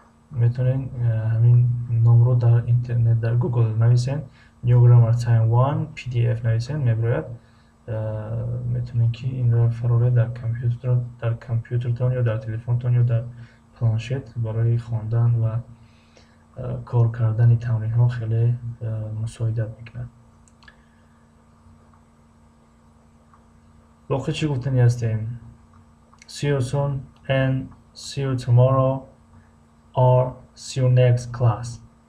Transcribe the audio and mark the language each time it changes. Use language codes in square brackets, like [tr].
[tg] метавонед ҳамин номро дар интернет дар Google нависед. New Grammar Time 1 PDF нависед мебирояд. метавонед ки инро фароре дар компютер ё дар телефонтон ё дар планшет барои хондан ва кор кардани тамринҳо хеле мусоидат мекунад. [fa] باقی چی گفتنی هستیم؟ [en] See you soon and see you tomorrow or see you next class.